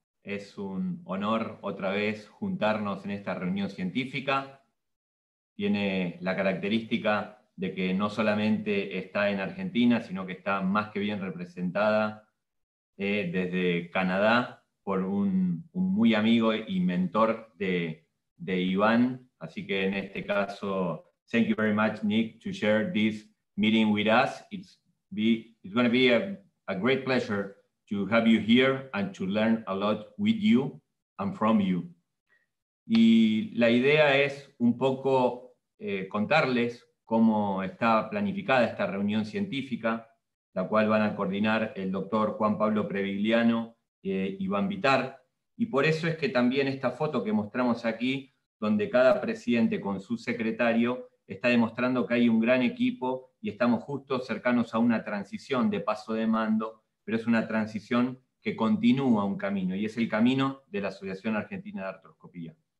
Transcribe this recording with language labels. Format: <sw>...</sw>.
<es>Es un honor otra vez juntarnos en esta reunión científica. Tiene la característica de que no solamente está en Argentina, sino que está más que bien representada desde Canadá por un muy amigo y mentor de Iván. Así que en este caso,</es> <en>thank you very much, Nick, to share this meeting with us. It's going to be a great pleasure to have you here and to learn a lot with you and from you.</en> <es>Y la idea es un poco contarles cómo está planificada esta reunión científica, la cual van a coordinar el doctor Juan Pablo Previgliano y Iván Vitar. Y por eso es que también esta foto que mostramos aquí, donde cada presidente con su secretario está demostrando que hay un gran equipo y estamos justo cercanos a una transición de paso de mando, pero es una transición que continúa un camino, y es el camino de la Asociación Argentina de Artroscopía.</es>